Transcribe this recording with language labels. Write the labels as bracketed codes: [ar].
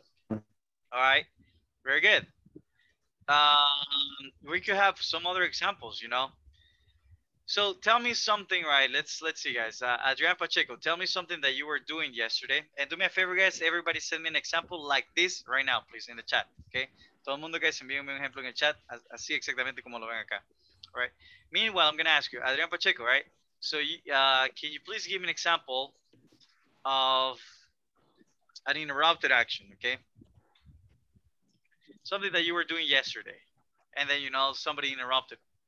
[en] All right, very good. We could have some other examples, you know? So tell me something, right? Let's see, guys. Adrian Pacheco, tell me something that you were doing yesterday. And do me a favor, guys. Everybody send me an example like this right now, please, in the chat, okay? [es] Todo el mundo, guys, envíenme un ejemplo en el chat. Así exactamente como lo ven acá, [en] all right? Meanwhile, I'm going to ask you, Adrian Pacheco, right? So can you please give me an example of an interrupted action, okay? Something that you were doing yesterday, and then, you know, somebody interrupted.